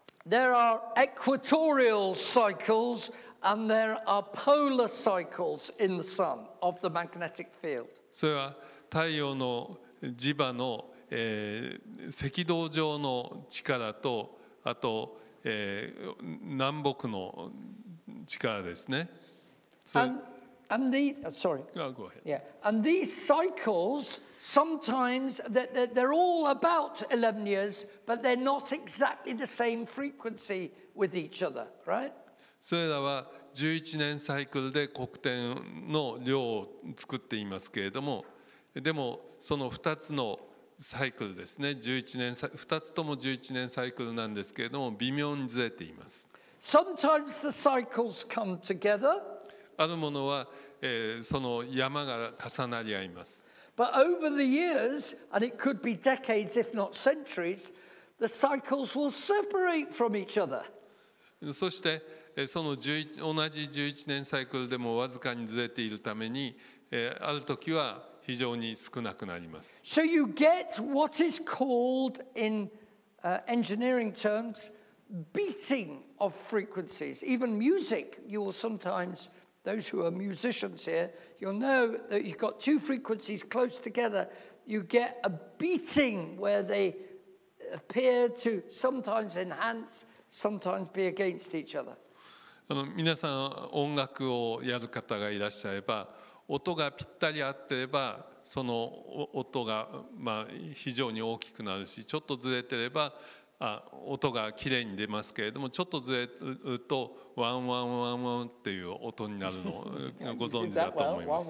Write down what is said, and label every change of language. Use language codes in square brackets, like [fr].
[en] There are equatorial cycles and there are polar cycles in the sun of the magnetic field. [ja] それは太陽の磁場の、赤道上の力と、あと、南北の力ですね。 [en] And these cycles sometimes they're all about 11 years, but they're not exactly the same frequency with each other, right? [ja] それらは11年サイクルで黒点の量を作っていますけれども、でもその2つのサイクルですね、11年2つとも11年サイクルなんですけれども、微妙にずれています。 [en] Sometimes the cycles come together. [ja] あるものは、その山が重なり合います。 [en] But over the years, and it could be decades, if not centuries, the cycles will separate from each other. [ja] そして、その同じ11年サイクルでもわずかにずれているために、ある時は非常に少なくなります。 [en] So you get what is called in engineering terms, beating of frequencies. Even music, you will sometimes... Those who are musicians here, you'll know that you've got two frequencies close together. You get a beating where they appear to sometimes enhance, sometimes be against each other. [ja] 皆さん、音楽をやる方がいらっしゃれば、音がぴったり合っていれば、その音が、まあ、非常に大きくなるし、ちょっとずれていれば、あ、音がきれいに出ますけれども、ちょっとずれるとワンワンワンワンっていう音になるのをご存知だと思います。